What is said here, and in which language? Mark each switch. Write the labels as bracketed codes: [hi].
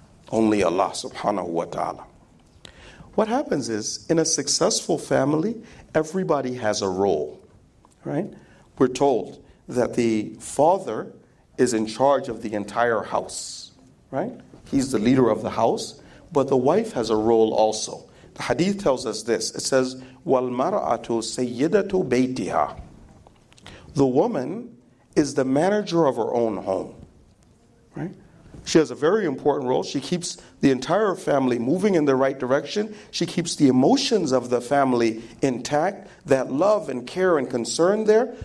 [en] Only Allah subhanahu wa ta'ala. What happens is, in a successful family, everybody has a role. Right? We're told that the father is in charge of the entire house, right? He's the leader of the house, but the wife has a role also. The hadith tells us this. It says, [ar] وَالْمَرَأَةُ سَيِّدَةُ بَيْتِهَا. [en] The woman is the manager of her own home, right? She has a very important role. She keeps the entire family moving in the right direction. She keeps the emotions of the family intact, that love and care and concern there.